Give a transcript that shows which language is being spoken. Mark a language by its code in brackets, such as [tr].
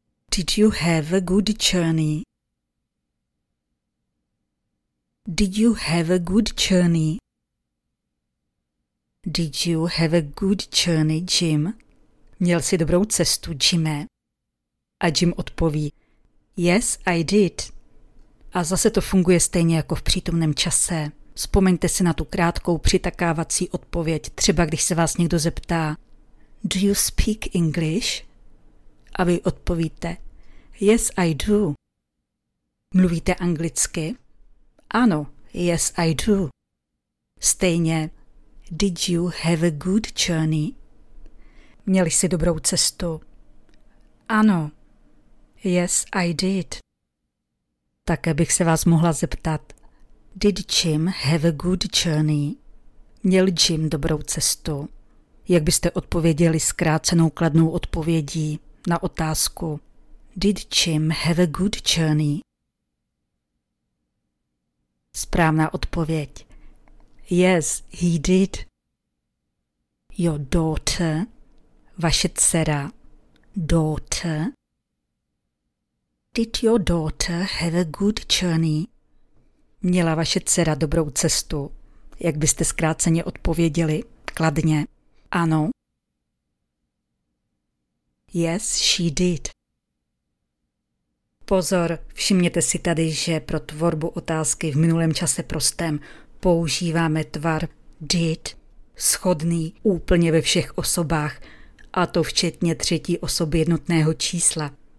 [en] Did you have a good journey? Did you have a good journey? Did you have a good journey, Jim? [cs] Měl jsi dobrou cestu, Jimmy? A Jim odpoví: [en] yes, I did. [cs] A zase to funguje stejně jako v přítomném čase. Vzpomeňte si na tu krátkou přitakávací odpověď, třeba když se vás někdo zeptá: [en] do you speak English? [cs] A vy odpovíte: [en] yes, I do. [cs] Mluvíte anglicky? Ano, [en] yes, I do. [cs] Stejně: [en] did you have a good journey? [cs] Měli jsi dobrou cestu? Ano. [en] Yes, I did. [cs] Také bych se vás mohla zeptat. [en] Did Jim have a good journey? [cs] Měl Jim dobrou cestu? Jak byste odpověděli zkrácenou kladnou odpovědí na otázku? [en] Did Jim have a good journey? [cs] Správná odpověď. [en] Yes, he did. Your daughter, [cs] vaše dcera, [en] daughter. Did your daughter have a good journey? [cs] Měla vaše dcera dobrou cestu? Jak byste zkráceně odpověděli? Kladně. Ano. [en] Yes, she did. [cs] Pozor, všimněte si tady, že pro tvorbu otázky v minulém čase prostém používáme tvar did, shodný úplně ve všech osobách, a to včetně třetí osoby jednotného čísla.